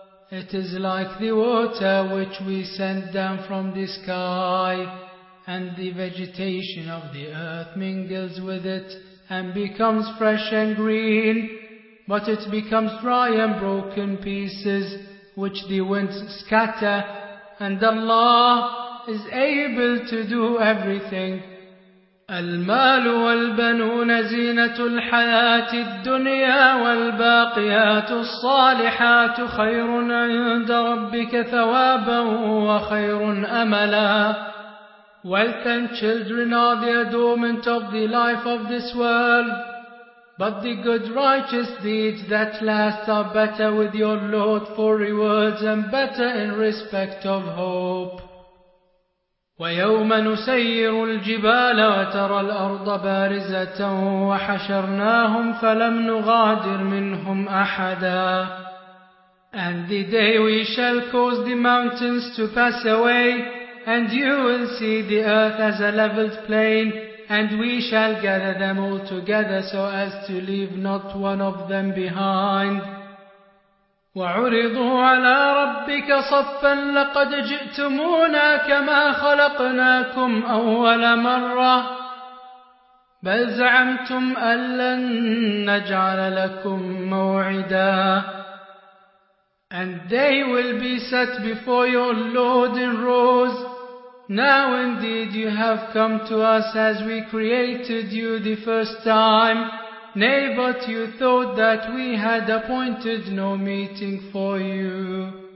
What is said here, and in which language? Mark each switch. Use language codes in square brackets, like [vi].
[en] It is like the water which we send down from the sky, and the vegetation of the earth mingles with it and becomes fresh and green, but it becomes dry and broken pieces which the winds scatter, and Allah is able to do everything. [ar] المال والبنون زينة الحياة الدنيا والباقيات الصالحات خير عند ربك ثوابا وخير أملا. [en] Wealth and children are the adornment of the life of this world, but the good righteous deeds that last are better with your Lord for rewards and better in respect of hope. [ar] ويوم نسير الجبال وترى الأرض بارزة وحشرناهم فلم نغادر منهم أحدا. [en] And the day we shall cause the mountains to pass away, and you will see the earth as a leveled plain, and we shall gather them all together so as to leave not one of them behind. [ar] وعرضوا على ربك صفا لقد جئتمونا كما خلقناكم أول مرة بل زعمتم أن لن نجعل لكم موعدا. [en] And they will be set before your Lord in rows. Now indeed you have come to us as we created you the first time. Nay, but you thought that we had appointed no meeting for you.